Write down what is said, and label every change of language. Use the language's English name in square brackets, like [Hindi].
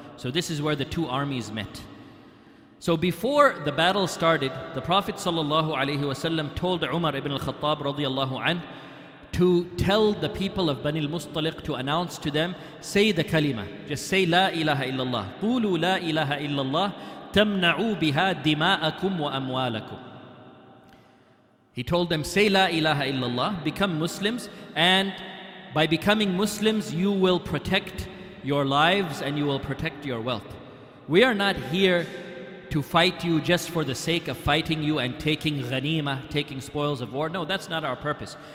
[English] So this is where the two armies met. So before the battle started, the Prophet ﷺ told Umar ibn al-Khattab radiallahu anh to tell the people of Bani al-Mustaliq to announce to them, say the kalima, just say la ilaha illallah. [Arabic] قولوا لا إله إلا الله تمنعوا بها دماءكم وأموالكم. [English] He told them, say la ilaha illallah, become Muslims, and by becoming Muslims, you will protect your lives and you will protect your wealth. We are not here to fight you just for the sake of fighting you and taking ghanima, taking spoils of war. No, that's not our purpose.